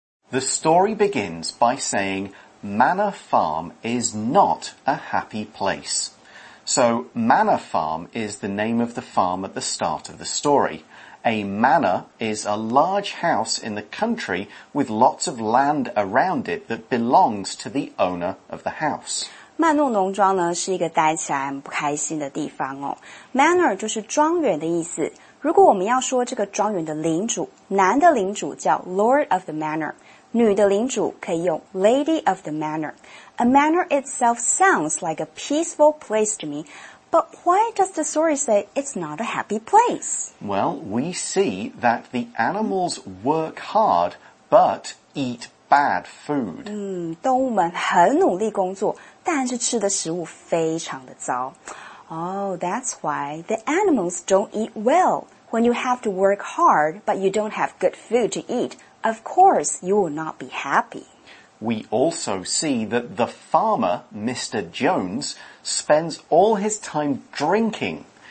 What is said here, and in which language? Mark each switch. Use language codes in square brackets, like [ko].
[en] The story begins by saying Manor Farm is not a happy place. So Manor Farm is the name of the farm at the start of the story. A manor is a large house in the country with lots of land around it that belongs to the owner of the house. [zh] 曼诺农庄呢是一个待起来很不开心的地方哦。 Manor 就是庄园的意思。如果我们要说这个庄园的领主，男的领主叫 [en] Lord of the Manor， [zh] 女的领主可以用 [en] Lady of the Manor。 A manor itself sounds like a peaceful place to me, but why does the story say it's not a happy place? Well, we see that the animals work hard, but eat bad food. [zh] 动物们很努力工作，但是吃的食物非常的糟。 [en] Oh, that's why the animals don't eat well. When you have to work hard, but you don't have good food to eat, of course you will not be happy. We also see that the farmer, Mr. Jones, spends all his time drinking.